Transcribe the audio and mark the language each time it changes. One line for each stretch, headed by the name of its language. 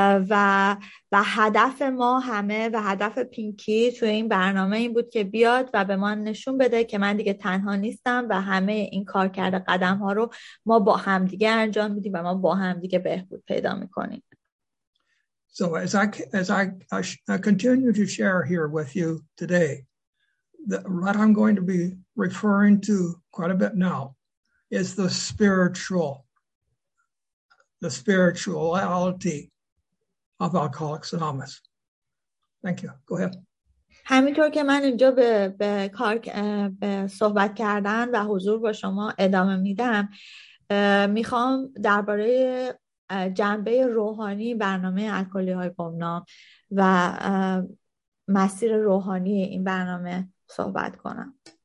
Persian: و هدف ما همه و هدف پینکی تو این برنامه این بود که بیاد و به ما نشون بده که من دیگه تنها نیستم و همه این کار کرده قدم ها رو ما با هم دیگه انجام میدیم و ما با هم دیگه بهبود پیدا میکنیم.
English: So as I continue to share here with you today, what I'm going to be referring to quite a bit now is the spirituality of Alcoholics Anonymous. Thank you. Go ahead.
Persian: همینطور که من اینجا به کار به صحبت کردن و حضور با شما ادامه میدم، میخوام درباره جنبه روحانی برنامه الکلی های گمنام و مسیر روحانی این برنامه صحبت کنم.